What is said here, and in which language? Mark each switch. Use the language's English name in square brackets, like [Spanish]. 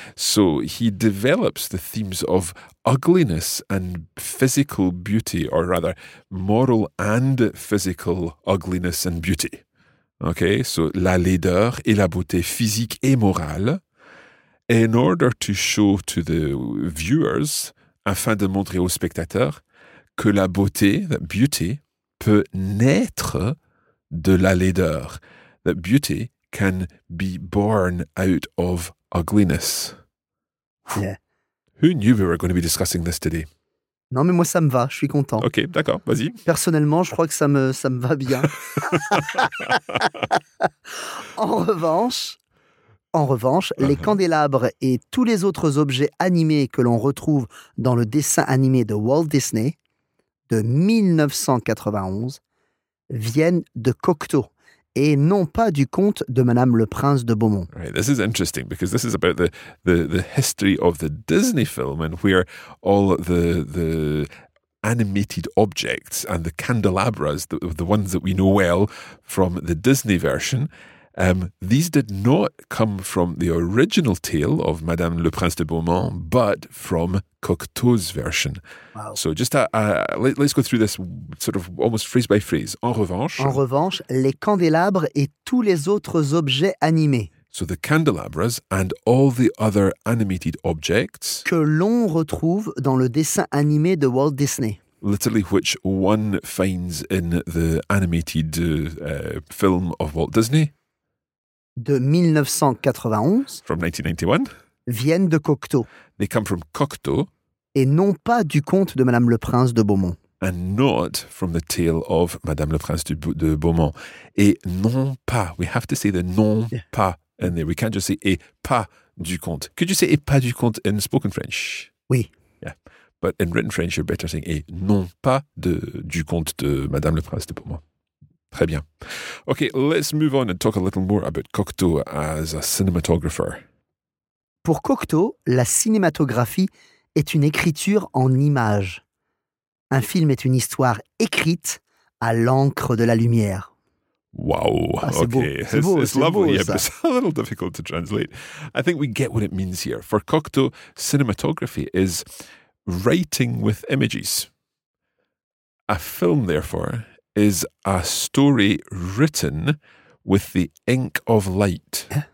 [English] So he develops the themes of ugliness and physical beauty, or rather, moral and physical ugliness and beauty. Okay, so [French] la laideur et la beauté physique et morale, [English] in order to show to the viewers, [French] afin de montrer aux spectateurs, que la beauté, [English] that beauty, [French] peut naître de la laideur. [English] That beauty can be born out of ugliness. Yeah. Who knew we were going to be discussing this today? [French] Non, mais moi, ça me va, je suis content. Ok, d'accord, vas-y. Personnellement, je crois que ça me va bien. En revanche, uh-huh. Les candélabres et tous les autres objets animés que l'on retrouve dans le dessin animé de Walt Disney, de 1991, viennent de Cocteau et non pas du conte de Madame le Prince de Beaumont. [English] Right, this is interesting because this is about the history of the Disney film and where all the animated objects and the candelabras, the ones that we know well from the Disney version, these did not come from the original tale of Madame le Prince de Beaumont, but from Cocteau's version. Wow. So just let's go through this sort of almost phrase by phrase. [French] En revanche, les candélabres et tous les autres objets animés. [English] So the candelabras and all the other animated objects [French] que l'on retrouve dans le dessin animé de Walt Disney. [English] Literally, which one finds in the animated film of Walt Disney. [French] De 1991. [English] From 1991. [French] Viennent de Cocteau. [English] They come from Cocteau. [French] Et non pas du conte de Madame le Prince de Beaumont. [English] And not from the tale of Madame le Prince de Beaumont. [French] Et non pas. [English] We have to say the non pas in there. We can't just say [French] et pas du conte. [English] Could you say [French] et pas du conte [English] in spoken French? [French] Oui. [English] Yeah. But in written French, you're better saying [French] et non pas du conte de Madame le Prince de Beaumont. Très bien. [English] Okay, let's move on and talk a little more about Cocteau as a cinematographer. [French] Pour Cocteau, la cinématographie est une écriture en images. Un film est une histoire écrite à l'encre de la lumière. [English] Wow. Ah, it's lovely, but it's a little difficult to translate. I think we get what it means here. For Cocteau, cinematography is writing with images. A film, therefore, is a story written with the ink of light.